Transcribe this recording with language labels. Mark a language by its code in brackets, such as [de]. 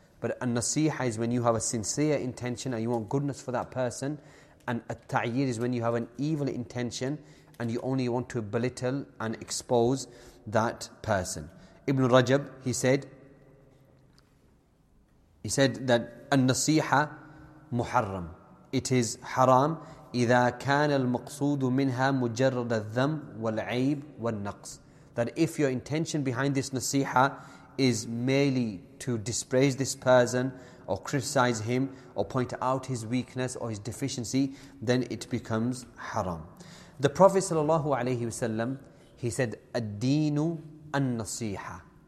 [en] But al-Nasiha is when you have a sincere intention and you want goodness for that person, and al-Ta'yir is when you have an evil intention and you only want to belittle and expose that person. Ibn Rajab, he said that an-nasiha muharram. It is haram. [ar] إذا كان المقصود منها مجرد الذم والعيب والنقص. [en] That if your intention behind this nasiha is merely to dispraise this person or criticize him or point out his weakness or his deficiency, then it becomes haram. The Prophet sallallahu alaihi wasallam, he said, "Ad-dinu an-nasiha."